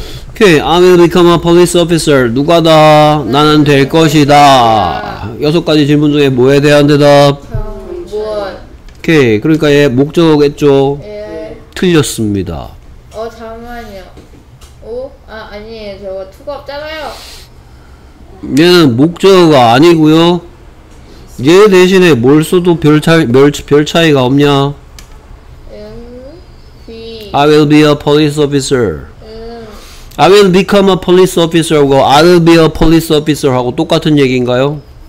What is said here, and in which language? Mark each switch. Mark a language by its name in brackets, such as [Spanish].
[English] Okay, I will become a police officer. [Korean] 누가다? 나는 될 것이다. 여섯 가지 질문 중에 뭐에 대한 대답? [English] What? [Korean] Okay, 그러니까 얘 목적어겠죠. 틀렸습니다. 어 잠깐만요. 오? 아 아니에요. 저거 투가 없잖아요. 얘는 목적어가 아니고요. 얘 대신에 뭘 써도 별 차이가 없냐? [English] I will be a police officer. I will become a police officer [Korean] 하고 [English] I will be a police officer [Korean] 하고 똑같은 얘기인가요?